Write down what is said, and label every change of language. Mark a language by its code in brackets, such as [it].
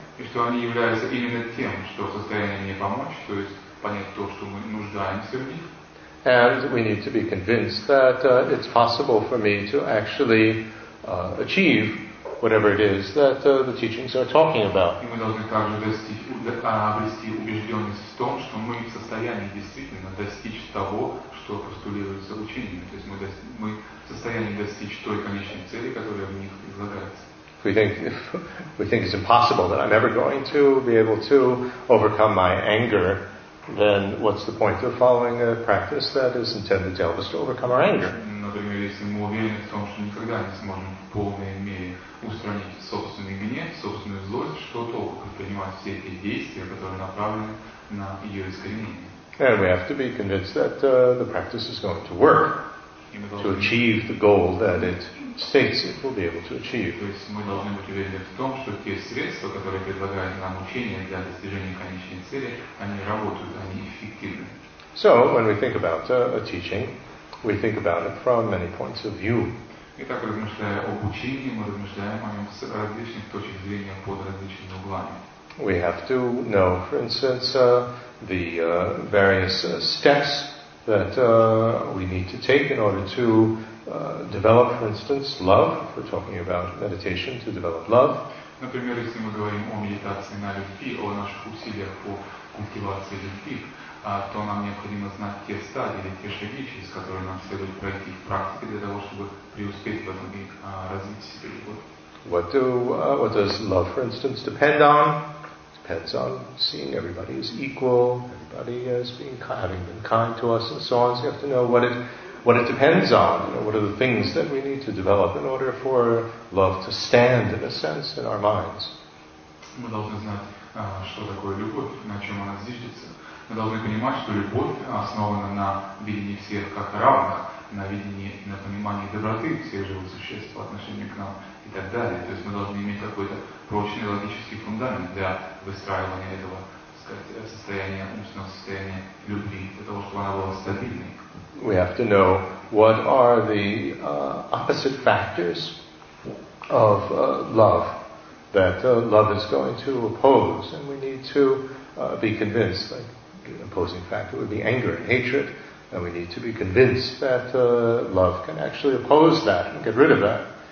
[ru] И что они являются именно тем, что в состоянии мне помочь, то есть понять то, что мы нуждаемся в них. [en] And we need to be convinced that it's possible for me to actually achieve whatever it is that the teachings are talking about. [ru] И мы должны также обрести убежденность в том, что мы в состоянии действительно достичь того, что постулируется учением. То есть мы в состоянии достичь той конечной цели, которая в них излагается. [en] If we think it's impossible that I'm ever going to be able to overcome my anger, then what's the point of following a practice that is intended to help us to overcome our anger? [ru] Например, если мы уверены в том, что никогда не сможем в полной мере устранить собственный гнев, собственную злость, что толку предпринимать все эти действия, которые направлены на ее искоренение? [en] And we have to be convinced that the practice is going to work to achieve the goal that it states it will be able to achieve. [ru] То есть мы должны быть уверены в том, что те средства, которые предлагают нам учение для достижения конечной цели, они работают, они эффективны. [en] So, when we think about a teaching, we think about it from many points of view. [ru] Итак, размышляя об учении, мы размышляем о нем с различных точек зрения под различными углами. [en] We have to know, for instance, the various steps that we need to take in order to develop, for instance, love. If we're talking about meditation, to develop love. [ru] Например, если мы говорим о медитации на любви, о наших усилиях по культивации любви, то нам необходимо знать те стадии или те шаги, через которые нам следует пройти в практике для того, чтобы преуспеть в этом и развить себе любовь. [en] What does love, for instance, depend on? Depends on seeing everybody as equal, everybody as having been kind to us, and so on. So you have to know what it depends on. You know, what are the things that we need to develop in order for love to stand, in a sense, in our minds? [ru] Мы должны знать, что такое любовь, на чем она зиждется. Мы должны понимать, что любовь основана на видении всех как равных, на видении, на понимании доброты всех живых существ по отношению к нам и так далее. То есть мы должны иметь какой-то прочный логический фундамент для выстраивания этого, так сказать, состояния, умственного состояния любви, для того, чтобы она была стабильной. [en] We have to know what are the opposite factors of love that love is going to oppose, and we need to be convinced, like opposing factor would be anger and hatred, and we need to be convinced that love can actually oppose that and get rid of that.